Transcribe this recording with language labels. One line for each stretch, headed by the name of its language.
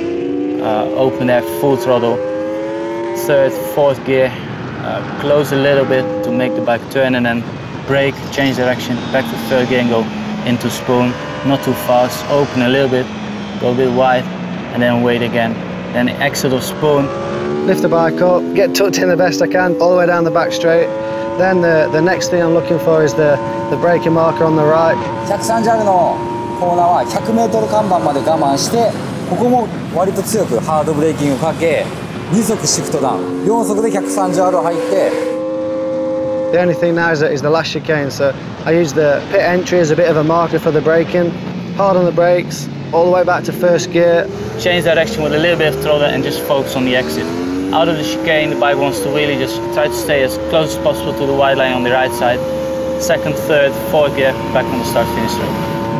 English: Open there, full throttle, third, fourth gear, close a little bit to make the bike turn, and then brake, change direction, back to third gear and go into spoon, not too fast, open a little bit, go a bit wide and then wait again, then exit of spoon. Lift the bike up, get tucked in the best I can, all the way down the back straightThen the next thing I'm looking for is the braking marker on the right.
Japanese: 130R のコーナーは 100m 看板まで我慢して、ここも割と強くハードブレーキングをかけ、2速シフトダウン、4速で 130R 入って。
English: The only thing now is the last chicane, so I use the pit entry as a bit of a marker for the braking. Hard on the brakes, all the way back to first gear. Change direction with a little bit of throttle and just focus on the exit. Out of the chicane, the bike wants to really just try to stay as close as possible to the white line on the right side. Second, third, fourth gear, back on the start-finish straight.